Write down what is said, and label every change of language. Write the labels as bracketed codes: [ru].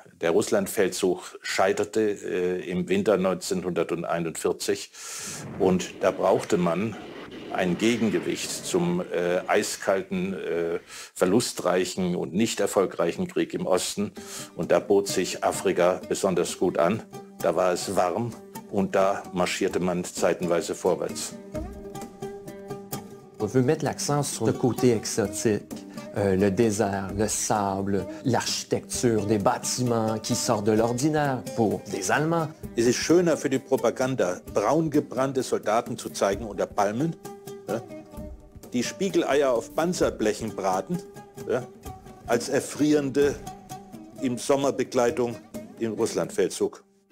[de] Der Russlandfeldzug scheiterte im Winter 1941 und da brauchte man ein Gegengewicht zum eiskalten, verlustreichen und nicht erfolgreichen Krieg im Osten. Und da bot sich Afrika besonders gut an. Da war es warm und da marschierte man zeitenweise vorwärts. [fr] On veut mettre l'accent sur le côté exotique. Le désert, le sable, l'architecture des bâtiments qui sortent de l'ordinaire pour les Allemands. [de] Es ist schöner für die Propaganda, braungebrannte Soldaten zu zeigen unter Palmen, ja? Die Spiegeleier auf Panzerblechen braten, ja? Als erfrierende im Sommerbegleitung im Russlandfeldzug.